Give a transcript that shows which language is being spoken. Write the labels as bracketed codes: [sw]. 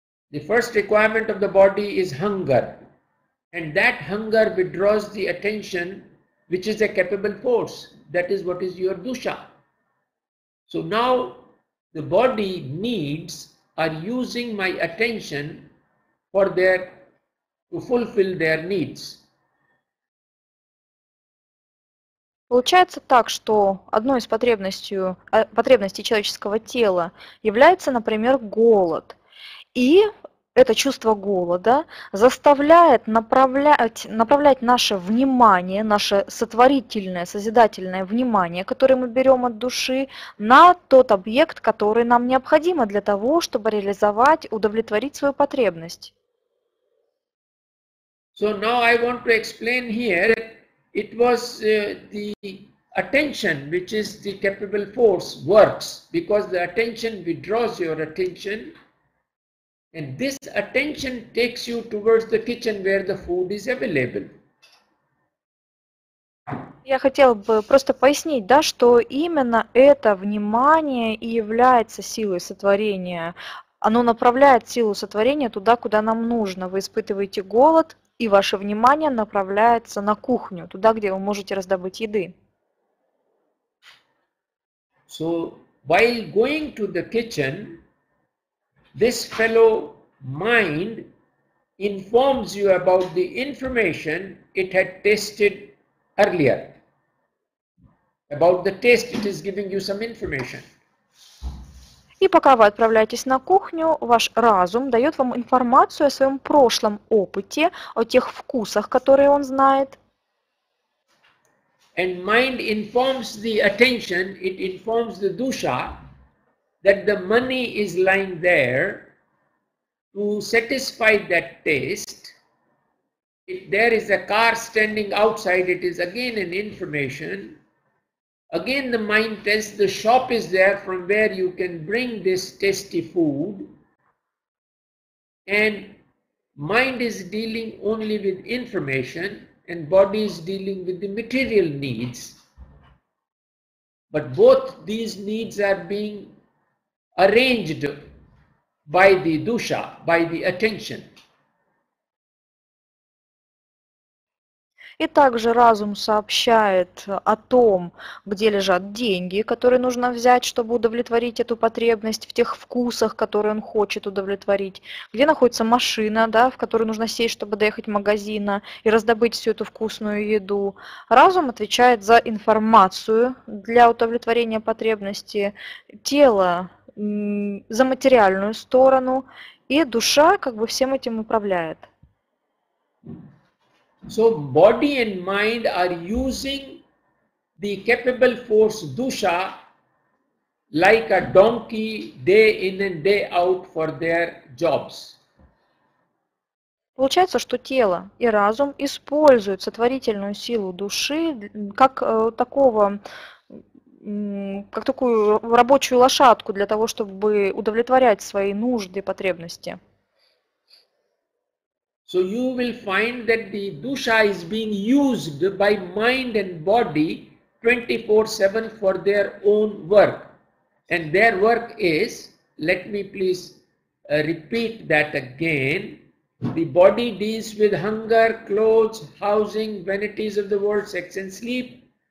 [en] The first requirement of the body is hunger, and that hunger withdraws the attention, which is a capable force. That is what is your dusha. So now the body needs are using my attention for their to fulfill their needs. [ru] Получается так, что одной из потребностей человеческого тела является, например, голод. И это чувство голода заставляет направлять наше внимание, наше сотворительное, созидательное внимание, которое мы берем от души, на тот объект, который нам необходим для того, чтобы реализовать, удовлетворить свою потребность. [en] So now I want to explain here. It was the attention, which is the capable force, works, because the attention withdraws your attention, and this attention takes you towards the kitchen where the food is available. [ru] Я хотел бы просто пояснить, да, что именно это внимание и является силой сотворения. Оно направляет силу сотворения туда, куда нам нужно. Вы испытываете голод, и ваше внимание направляется на кухню, туда, где вы можете раздобыть еды. [en] So, while going to the kitchen, this fellow mind informs you about the information it had tasted earlier. About the taste, it is giving you some information. [ru] И пока вы отправляетесь на кухню, ваш разум дает вам информацию о своем прошлом опыте, о тех вкусах, которые он знает. [en] And mind informs the attention, it informs the dusha, that the money is lying there to satisfy that taste. If there is a car standing outside, it is again an information. Again, the mind tells the shop is there from where you can bring this tasty food. And mind is dealing only with information, and body is dealing with the material needs. But both these needs are being arranged by the dusha, by the attention. [ru] И также разум сообщает о том, где лежат деньги, которые нужно взять, чтобы удовлетворить эту потребность в тех вкусах, которые он хочет удовлетворить. Где находится машина, да, в которой нужно сесть, чтобы доехать до магазина и раздобыть всю эту вкусную еду. Разум отвечает за информацию для удовлетворения потребности тела, за материальную сторону, и душа как бы всем этим управляет. [en] So body and mind are using the capable force dusha like a donkey day in and day out for their jobs. [ru] Получается, что тело и разум используют сотворительную силу души как такую рабочую лошадку для того, чтобы удовлетворять свои нужды и потребности. [en] So you will find that the dusha is being used by mind and body 24/7 for their own work. And their work is, let me please repeat that again, the body deals with hunger, clothes, housing, vanities of the world, sex and sleep.